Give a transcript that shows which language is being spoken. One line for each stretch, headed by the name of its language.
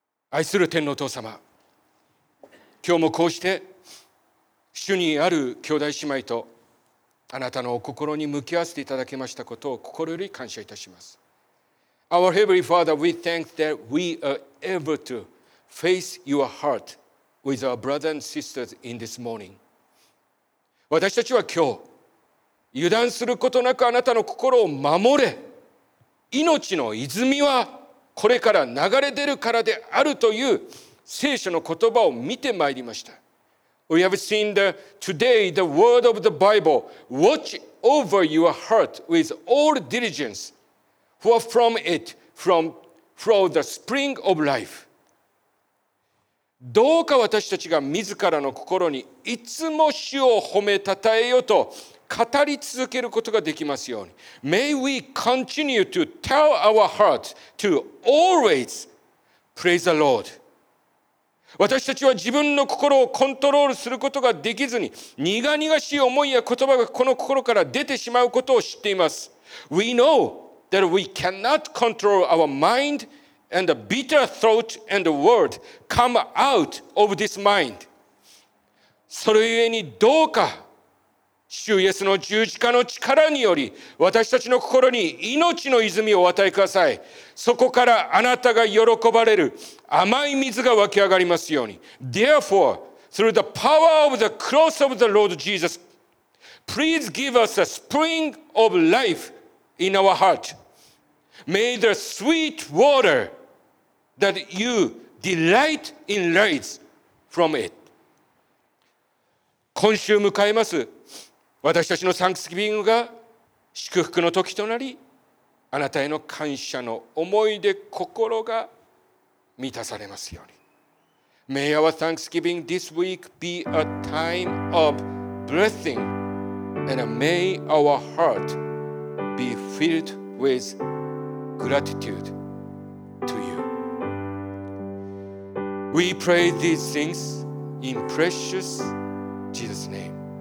Japanese: 愛する天皇お父様、今日もこうして主にある兄弟姉妹とあなたのお心に向き合わせていただけましたことを心より感謝いたします。
English: Our Heavenly Father, we thank that we are able to face your heart with our brothers and sisters in this morning.
Japanese: 私たちは今日油断することなくあなたの心を守れ、命の泉はこれから流れ出るからであるという聖書の言葉を見てまいりました。
English: We have seen today the word of the Bible. Watch over your heart with all diligence, for from it flow the spring of life.
Japanese: どうか私たちが自らの心にいつも主を褒めたたえよと語り続けることができますように。
English: May we continue to tell our hearts to always praise the Lord.
Japanese: 私たちは自分の心をコントロールすることができずに、苦々しい思いや言葉がこの心から出てしまうことを知っています。
English: We know that we cannot control our mind and the bitter thought and the word come out of this mind.
Japanese: それゆえにどうか、主イエスの十字架の力により、私たちの心に命の泉をお与えください。そこからあなたが喜ばれる甘い水が湧き上がりますように。
English: Therefore, through the power of the cross of the Lord Jesus, please give us a spring of life in our heart. May the sweet water that you delight in rise from it.
Japanese: 今週迎えます。私たちのサンクスギビングが祝福の時となり、あなたへの感謝の思いで心が満たされますように。
English: May our Thanksgiving this week be a time of blessing, and may our heart be filled with gratitude to you. We pray these things in precious Jesus' name.